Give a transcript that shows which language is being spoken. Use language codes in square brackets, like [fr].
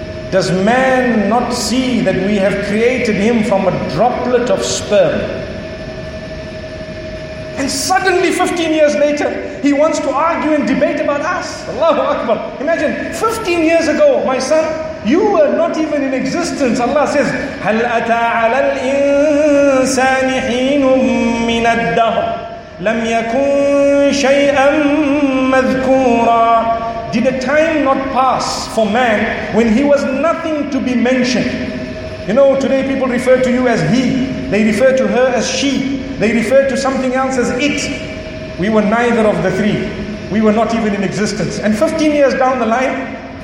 [en] Does man not see that we have created him from a droplet of sperm? And suddenly 15 years later, he wants to argue and debate about us. Allahu Akbar. Imagine, 15 years ago, my son, you were not even in existence. Allah says, [ar] هَلْ أَتَى عَلَى الْإِنسَانِ حِينٌ مِّنَ الدَّهْرِ لَمْ يَكُنْ شَيْئًا مَذْكُورًا. [en] Did a time not pass for man when he was nothing to be mentioned? You know, today people refer to you as he. They refer to her as she. They refer to something else as it. We were neither of the three. We were not even in existence. And 15 years down the line,